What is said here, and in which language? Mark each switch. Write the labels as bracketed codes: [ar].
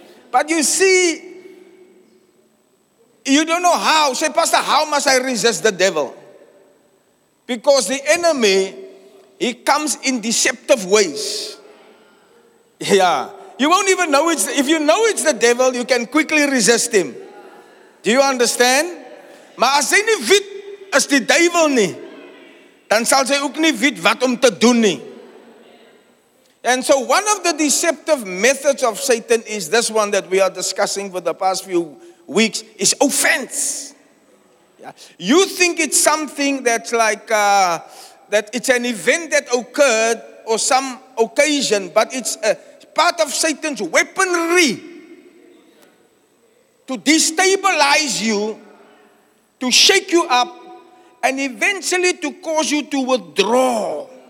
[en] But you see, you don't know how. Say, Pastor, how must I resist the devil? Because the enemy, he comes in deceptive ways. Yeah. You won't even know it's, if you know it's the devil, you can quickly resist him. Do you understand? [af] Maar as hy nie weet is die duivel nie, dan sal sy ook nie weet wat om te doen nie. [en] And so one of the deceptive methods of Satan is this one that we are discussing for the past few weeks, is offense. Yeah. You think it's something that's like, that it's an event that occurred or some occasion, but it's a part of Satan's weaponry to destabilize you, to shake you up, and eventually to cause you to withdraw.